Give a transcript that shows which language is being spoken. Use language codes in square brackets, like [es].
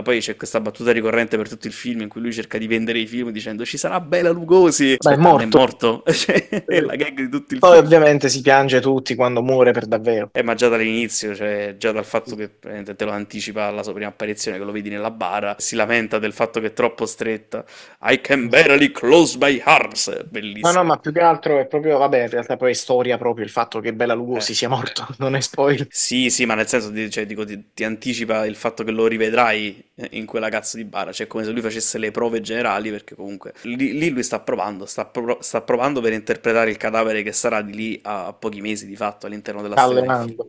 [it] Poi c'è questa battuta ricorrente per tutto il film in cui lui cerca di vendere i film dicendo ci sarà Bela Lugosi. Ma è Aspetta, non è morto. morto? È la Poi gag di tutto il film. ovviamente si piange tutti quando muore per davvero. Ma già dall'inizio, cioè già dal fatto che te lo anticipa alla sua prima apparizione, che lo vedi nella bara, si lamenta del fatto che è troppo stretta. [en] I can barely close my arms. [it] Ma no, Bellissimo. ma più che altro è proprio, vabbè, in realtà poi è storia proprio il fatto che Bela Lugosi sia morto, non è spoiler. Sì, ma nel senso di, cioè, dico, ti anticipa il fatto che lo rivedrai in quella cazzo di bara, cioè come se lui facesse le prove generali, perché comunque lì lui sta provando per interpretare il cadavere che sarà di lì a pochi mesi di fatto all'interno della storia del film.